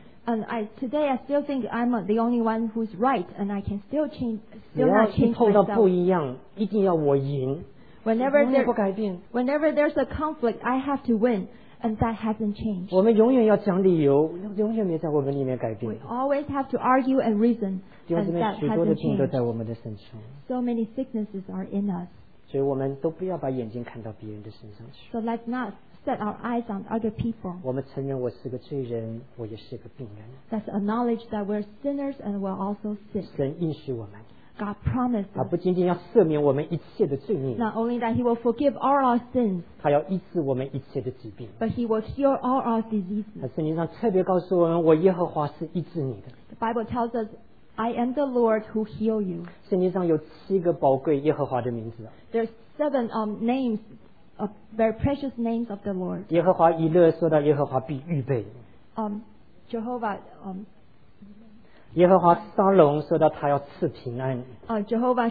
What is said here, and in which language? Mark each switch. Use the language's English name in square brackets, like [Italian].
[English] And today I still think I'm the only one who's right, and I can still change, still not change myself. [Chinese] 只要碰到不一样，一定要我赢。 [English] Whenever there's a conflict, I have to win, and that hasn't changed. [Chinese] 我们永远要讲理由，永远没在我们里面改变。 [English] We always have to argue and reason, and that hasn't changed. So many sicknesses are in us. [Chinese] 所以我们都不要把眼睛看到别人的身上去。 [English] So let's not set our eyes on other people. [Chinese] 我们承认我是个罪人，我也是个病人。 [English] Let's acknowledge that we're sinners and we're also sick. [Chinese] 神应许我们。 [English] God promised. [Chinese] 他不仅仅要赦免我们一切的罪孽。 [English] Not only that, He will forgive all our sins. [Chinese] 他要医治我们一切的疾病。 [English] But He will heal all our diseases. [Chinese] 圣经上特别告诉我们，我耶和华是医治你的。 [English] The Bible tells us, I am the Lord who heal you. [Chinese] 圣经上有七个宝贵耶和华的名字。 [English] There's seven names, very precious names of the Lord. [Chinese] 耶和华以勒说到耶和华必预备。Jehovah. 耶和华沙龙说到他要赐平安。Jehovah